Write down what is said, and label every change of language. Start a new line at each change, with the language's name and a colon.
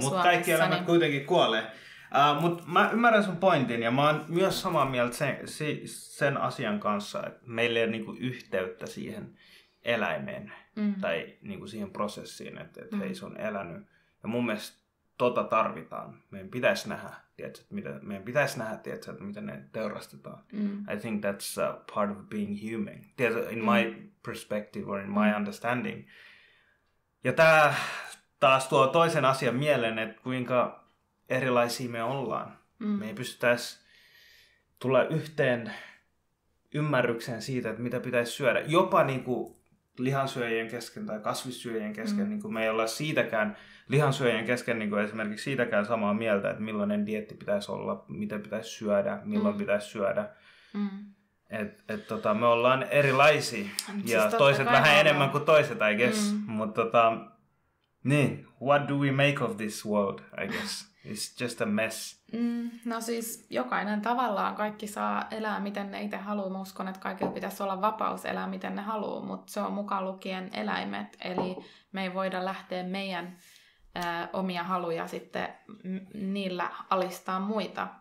Finnish: Suomessa, mutta kaikki elämät niin... kuitenkin kuolee. Mutta mä ymmärrän sun pointin ja mä oon myös samaa mieltä sen asian kanssa, että meillä ei ole niinku yhteyttä siihen eläimeen tai niinku siihen prosessiin, että hei, se on elänyt. Ja mun mielestä tota tarvitaan. Meidän pitäisi nähdä tiedätkö, että mitä meidän pitäisi nähdä, tiedätkö, että mitä ne teurastetaan. Mm.
English: I think that's part of being human.
Finnish: Tiedätkö,
English: in my perspective or in my understanding.
Finnish: Ja tämä taas tuo toisen asian mieleen, että kuinka erilaisia me ollaan. Mm. Me ei pystytäisi tulla yhteen ymmärrykseen siitä, että mitä pitäisi syödä. Jopa niin kuin lihansyöjien kesken tai kasvissyöjien kesken, niin kuin me ei olla siitäkään lihansyöjien kesken niin kuin esimerkiksi siitäkään samaa mieltä, että millainen dietti pitäisi olla, mitä pitäisi syödä, milloin pitäisi syödä. Et, me ollaan erilaisia ja siis toiset vähän on enemmän kuin toiset,
English: I guess.
Finnish: Mutta niin,
English: what do we make of this world, I guess? It's just a mess.
Finnish: No siis jokainen tavallaan, kaikki saa elää miten ne itse haluaa. Mä uskon, että kaikilla pitäisi olla vapaus elää miten ne haluaa, mutta se on mukaan lukien eläimet. Eli me ei voida lähteä meidän omia haluja sitten niillä alistaa muita.